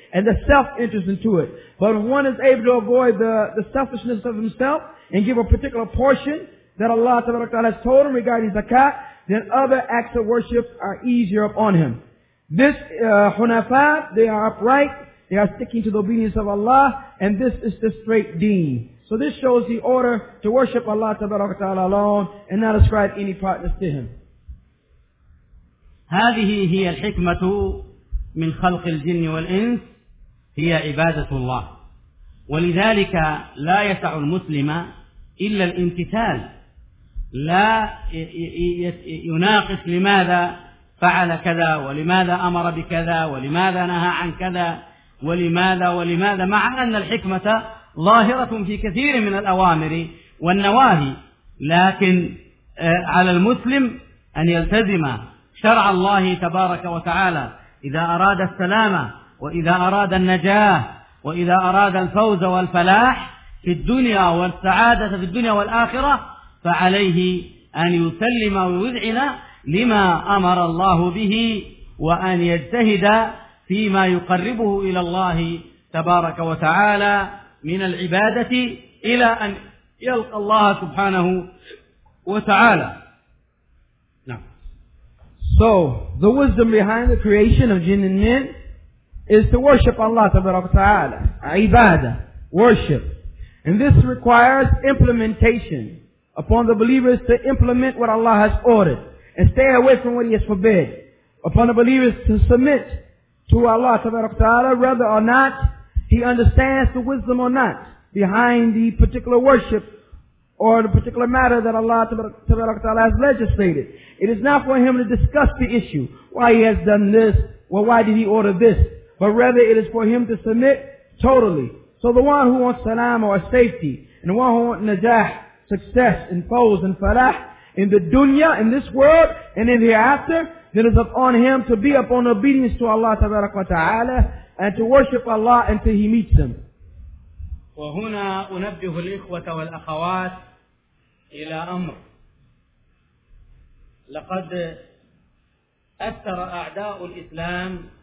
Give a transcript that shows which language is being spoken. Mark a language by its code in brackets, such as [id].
[en] And the self enters into it. But if one is able to avoid the selfishness of himself and give a particular portion that Allah Ta'ala has told him regarding zakat, then other acts of worship are easier upon him. This hunafa, they are upright, they are sticking to the obedience of Allah, and this is the straight deen. So this shows the order to worship Allah Ta'ala alone and not ascribe any partners to Him. [ar] هذه هي الحكمة من خلق الجن والإنس هي عبادة الله ولذلك لا يسع المسلم إلا الامتثال لا يناقش لماذا فعل كذا ولماذا أمر بكذا ولماذا نهى عن كذا ولماذا مع أن الحكمة ظاهرة في كثير من الأوامر والنواهي لكن على المسلم أن يلتزم شرع الله تبارك وتعالى إذا أراد السلامة وإذا أراد النجاة وإذا أراد الفوز والفلاح في الدنيا والسعادة في الدنيا والآخرة فعليه أن يسلم ويذعن لما أمر الله به وأن يجتهد فيما يقربه إلى الله تبارك وتعالى من العبادة إلى أن يلقى الله سبحانه وتعالى. [en] So, the wisdom behind the creation of jinn and men is to worship Allah Ta'ala, ibadah, worship. And this requires implementation Upon the believer is to implement what Allah has ordered and stay away from what He has forbid. Upon the believer is to submit to Allah Ta'ala, whether or not he understands the wisdom or not behind the particular worship or the particular matter that Allah Ta'ala has legislated. It is not for him to discuss the issue, why he has done this, or why did he order this, but rather it is for him to submit totally. So the one who wants salam or safety, and the one who wants najah, success, and foes, and farah, in the dunya, in this world, and in the hereafter, then it is upon him to be upon obedience to Allah Ta'ala, and to worship Allah until he meets him. [ar] وهنا أنبه الإخوة والأخوات إلى أمر لقد أثر أعداء الإسلام